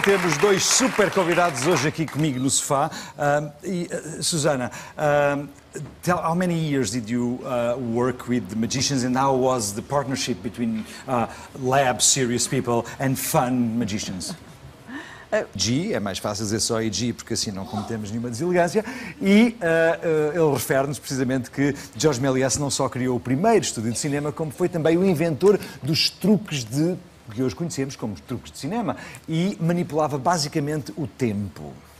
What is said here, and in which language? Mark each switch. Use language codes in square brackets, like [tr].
[pt] Temos dois super convidados hoje aqui comigo no sofá. [en] Susana, how many years did you work with the magicians, and how was the partnership between lab serious people and fun magicians? [pt] G, é mais fácil dizer só IG, porque assim não cometemos nenhuma deselegância. E ele refere-nos precisamente que Georges Méliès não só criou o primeiro estúdio de cinema, como foi também o inventor dos truques de que hoje conhecemos como truques de cinema, e manipulava basicamente o tempo.